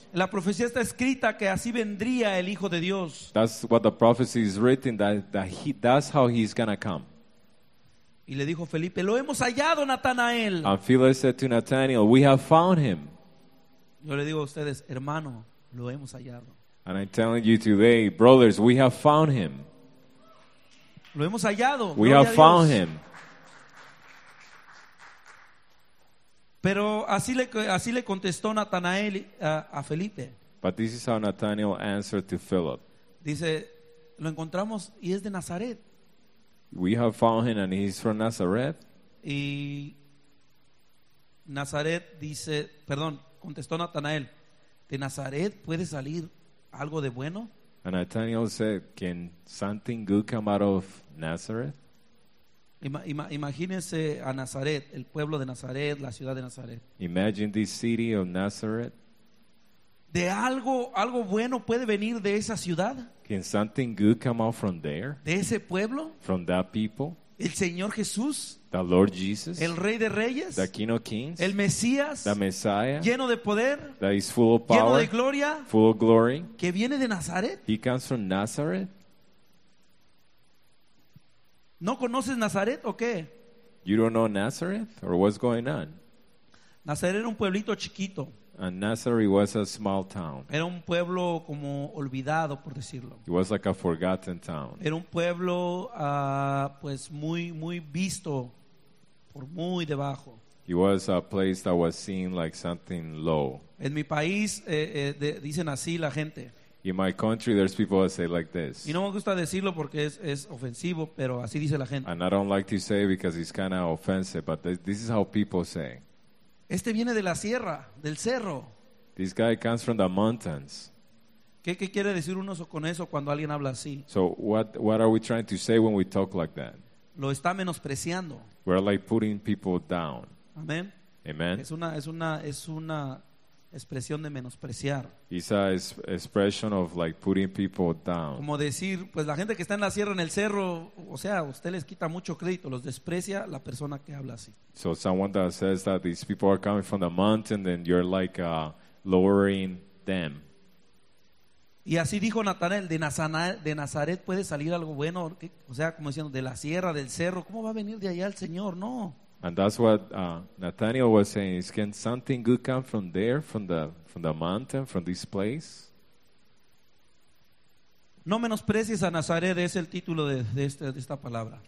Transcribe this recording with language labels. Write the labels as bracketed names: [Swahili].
[Spanish] La profecía está escrita que así vendría el Hijo de Dios. [English] That's what the prophecy is written, that's how he's going to come. [Spanish] Y le dijo Felipe, lo hemos hallado, Natanael. [English] And Philip said to Nathanael, we have found him. [Spanish] Yo le digo a ustedes, hermano, lo hemos hallado. [English] And I'm telling you today, brothers, we have found him. [Spanish] Lo hemos hallado. [English] We have found him. [Spanish] Pero así le contestó Natanael a Felipe. [English] But this is how Nathanael answered to Philip. [Spanish] Dice, lo encontramos y es de Nazaret. [English] We have found him and he's from Nazareth. [Spanish] Y Nazaret dice, perdón, contestó Natanael, ¿de Nazaret puede salir algo de bueno? [English] And Nathanael said, can something good come out of Nazareth? [Spanish] Imagínense a Nazaret, el pueblo de Nazaret, la ciudad de Nazaret. [English] Imagine this city of Nazareth. [Spanish] ¿De algo bueno puede venir de esa ciudad? [English] Can something good come out from there? [Spanish] ¿De ese pueblo? [English] From that people? [Spanish] ¿El Señor Jesús? [English] The Lord Jesus? [Spanish] ¿El Rey de Reyes? [English] The King of Kings? [Spanish] ¿El Mesías? [English] The Messiah? [Spanish] ¿Lleno de poder? [English] That is full of power? [Spanish] ¿Lleno de gloria? [English] Full of glory? [Spanish] ¿Que viene de Nazaret? [English] He comes from Nazareth? [Spanish] ¿No conoces Nazaret o qué? [English] You don't know Nazareth? Or what's going on? [Spanish] Nazaret era un pueblito chiquito. [English] And Nazareth was a small town. [Spanish] Era un pueblo como olvidado, por decirlo. [English] It was like a forgotten town. [Spanish] Era un pueblo pues muy muy visto por muy debajo. [English] It was a place that was seen like something low. [Spanish] En mi país dicen así la gente. [English] In my country, there's people that say like this. [Spanish] Y no me gusta decirlo porque es ofensivo, pero así dice la gente. [English] And I don't like to say because it's kind of offensive, but this is how people say. [Spanish] Este viene de la sierra, del cerro. [English] This guy comes from the mountains. [Spanish] ¿Qué quiere decir uno con eso cuando alguien habla así? [English] So what are we trying to say when we talk like that? [Spanish] Lo está menospreciando. [English] We're like putting people down. Amen. Amen. [Spanish] Es una expresión de menospreciar. [English] It's an expression of like putting people down. [Spanish] Como decir, pues la gente que está en la sierra, en el cerro, o sea, usted les quita mucho crédito, los desprecia la persona que habla así. [English] So someone that says that these people are coming from the mountain, then you're like lowering them. [Spanish] Y así dijo Natanael, de Nazaret puede salir algo bueno, o sea, como diciendo, de la sierra, del cerro, ¿cómo va a venir de allá el Señor? No. [English] And that's what Nathaniel was saying. Is can something good come from there, from the mountain, from this place? [Spanish] No menosprecies a Nazaret, es el título de esta palabra.